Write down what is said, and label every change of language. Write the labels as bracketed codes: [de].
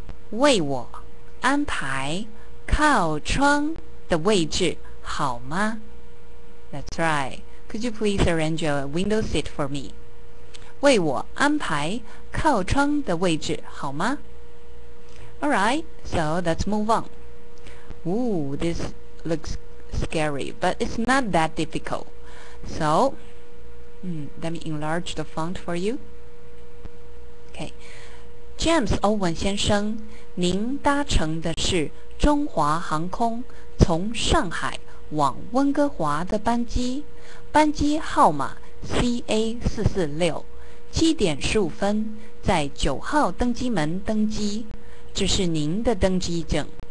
[zh] 为我安排靠窗的位置好吗? [en] That's right. Could you please arrange a window seat for me? [zh] 为我安排靠窗的位置好吗? [en] Alright, so let's move on. Ooh, this looks scary, but it's not that difficult. So, let me enlarge the font for you. Okay. [zh] James 欧文先生,您搭乘的是中华航空从上海往温哥华的班机,班机号码 CA446, 7点15分在9号登机门登机,这是您的登机证。